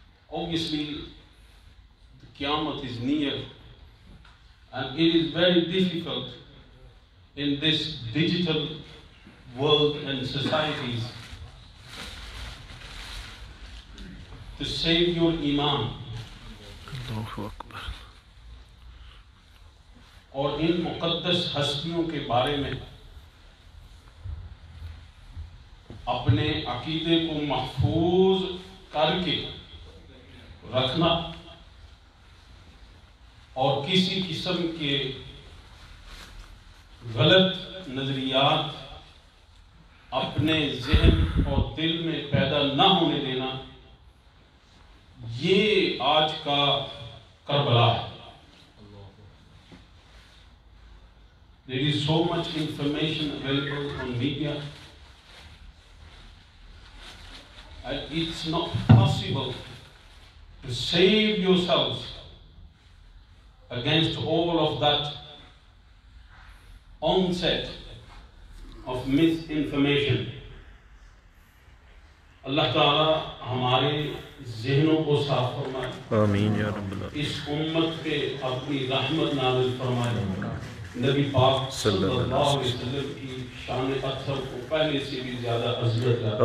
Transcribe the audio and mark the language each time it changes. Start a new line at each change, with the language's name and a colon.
English: Obviously, the Qiyamah is near, and it is very difficult in this digital world and societies to save your iman.
Arabic: Allahu Akbar.
Urdu: اور ان مقدس ہستیوں کے بارے میں اپنے عقیدے کو محفوظ کر کے رکھنا اور کسی قسم کے غلط نظریات اپنے ذہن اور دل میں پیدا نہ ہونے دینا، یہ آج کا کربلا ہے۔
English: There is so much information available on media. It's not possible to save yourselves against all of that onset of misinformation.
Urdu: اللہ تعالی ہمارے ذہنوں کو صاف فرمائے،
Arabic: آمین یا رب العالمین۔
Urdu: اس امت پہ اپنی رحمت نازل فرمائے، نبی پاک
Arabic: صلی اللہ علیہ
Urdu: وسلم کی شان اکثر کو پہلے سے بھی زیادہ عزت،